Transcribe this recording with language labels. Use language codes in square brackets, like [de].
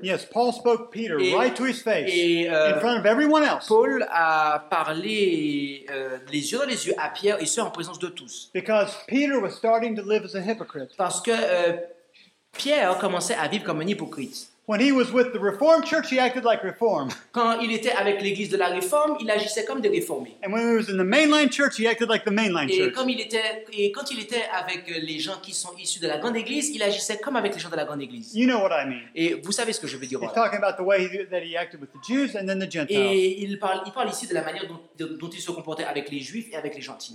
[en] Yes, Paul spoke Peter right to his face in front of everyone else. [fr] Paul a parlé les yeux dans les yeux à Pierre et ce en présence de tous. [en] Because Peter was starting to live as a hypocrite. [fr] Parce que Pierre commençait à vivre comme un hypocrite. [en] When he was with the Reformed Church, he acted like Reformed. [fr] Quand il était avec l'église de la Réforme, il agissait comme des réformés. [en] And when he was in the mainline church, he acted like the mainline church. [fr] Et quand il était avec les gens qui sont issus de la grande église, il agissait comme avec les gens de la grande église. [en] You know what I mean. [fr] Et vous savez ce que je veux dire. [en] He's talking about the way that he acted with the Jews and then the Gentiles. [fr] Et il parle ici de la manière dont il se comportait avec les Juifs et avec les Gentils.